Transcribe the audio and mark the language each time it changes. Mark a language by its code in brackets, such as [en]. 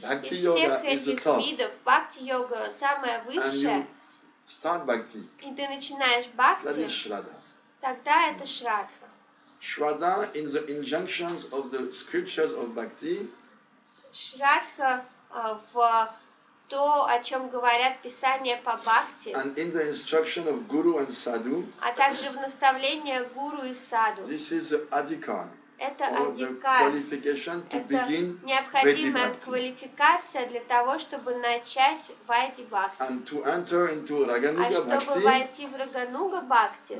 [ru] из всех этих видов бхакти йога самая высшая, и ты начинаешь бхакти, тогда это шрадха. [en] Шрадха in the injunctions of the scriptures of bhakti. [ru] Шрадха в то, о чем говорят писания по бхакти, [en] and in the instruction of guru and sadhu, [ru] а также в наставление гуру и саду. [en] This is the adhikar, [ru] это адикар, это [en] begin [ru] необходимая квалификация для того, чтобы начать вайди бхакти. [en] And to enter into Рагануга [ru] бхакти, а чтобы войти в Рагануга бхакти,